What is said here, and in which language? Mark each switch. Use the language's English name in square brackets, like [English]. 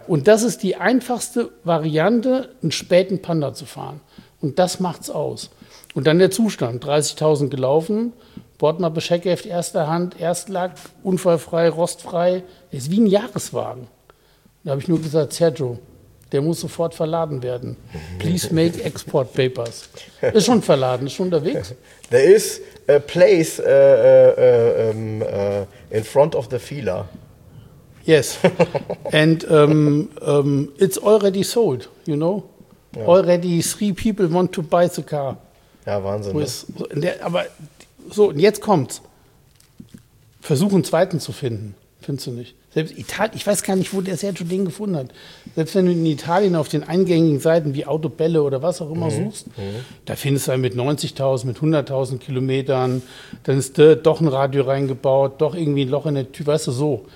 [German] Und das ist die einfachste Variante, einen späten Panda zu fahren. Und das macht's aus. Und dann der Zustand, 30.000 gelaufen, Bordmappe, Scheckheft, erster Hand, Erstlack, unfallfrei, rostfrei. Der ist wie ein Jahreswagen. Da habe ich nur gesagt, Sergio, der muss sofort verladen werden. [English] Please make export papers. [German] Ist schon verladen, ist schon unterwegs. Der ist... [English] A place in front of the feeler. Yes. And it's already sold, you know? [German] Ja. [English] Already three people want to buy the car. [German] Ja, Wahnsinn. Ist, ne? Der, aber so, und jetzt kommt's. Versuch einen zweiten zu finden. Findest du nicht? Selbst Italien, ich weiß gar nicht, wo der Sergio den gefunden hat. Selbst wenn du in Italien auf den eingängigen Seiten wie Autobälle oder was auch immer suchst, da findest du einen mit 90.000, mit 100.000 Kilometern, dann ist doch ein Radio reingebaut, doch irgendwie ein Loch in der Tür, weißt du, so.